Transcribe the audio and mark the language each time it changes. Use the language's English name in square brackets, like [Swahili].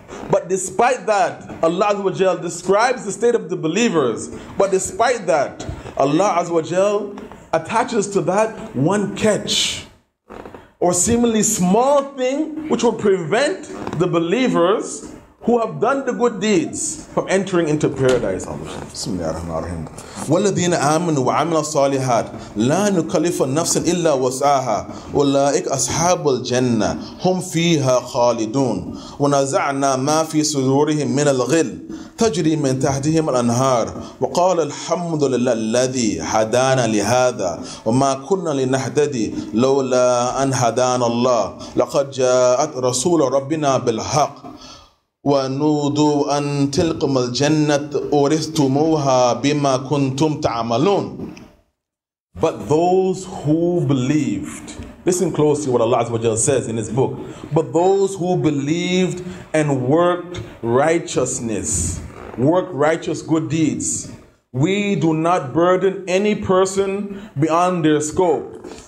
[English] But despite that, Allah Azza wa Jalla describes the state of the believers, but despite that, Allah Azza wa Jalla attaches to that one catch, or seemingly small thing, which will prevent the believers who have done the good deeds from entering into paradise. [Arabic] Bismillah ar-Rahman ar-Rahim. وَالَّذِينَ آمَنُوا وَعَمِلَ الصَّالِحَاتِ لَا نُكَلِّفُ نَفْسًا إِلَّا وُسْعَهَا أُولَئِكَ أَصْحَابُ الْجَنَّةِ هُمْ فِيهَا خَالِدُونَ وَنَزَعْنَا مَا فِي صُدُورِهِم مِّنَ الْغِلِّ تجري من تحتهم الأنهار وقال الحمد لله الذي هدانا لهذا وما كنا لنهتدي لولا أن هدانا الله لقد جاءت رسول ربنا بالحق ونودوا أن تلقم الجنة أورثتموها بما كنتم تعملون. [English] But those who believed, listen closely what Allah Azza wa Jalla says in His book, but those who believed and worked righteousness, work righteous good deeds, we do not burden any person beyond their scope.